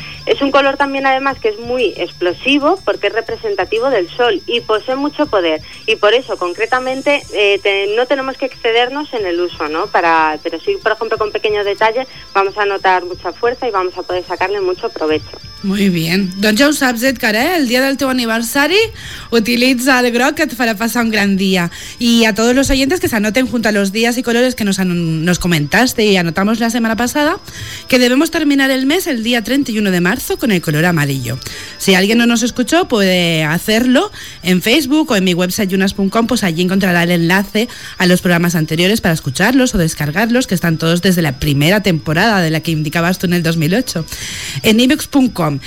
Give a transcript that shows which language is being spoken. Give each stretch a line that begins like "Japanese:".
Spanish: Es un color también además que es muy explosivo porque es representativo del sol y posee mucho poder. Y por eso, concretamente, no tenemos que excedernos en el uso, ¿no? Pero si, por ejemplo, con pequeños detalles, vamos a notar mucha fuerza y vamos a poder sacarle mucho provecho. Muy bien.
Catalan: Doncs ja ho saps, Edgar, eh? El dia del teu aniversari utilitza el groc que et farà passar un gran dia.
Spanish: I a todos los oyentes que se anoten junto a los días y colores que nos comentaste y anotamos la semana pasada, que debemos terminar el mes el día 31 de marzo con el color amarillo. Si alguien no nos escuchó, puede hacerlo en Facebook o en mi website yunas.com, pues allí encontrará el enlace a los programas anteriores para escucharlos o descargarlos, que están todos desde la primera temporada de la que indicabas tú en el 2008. En ibex.com.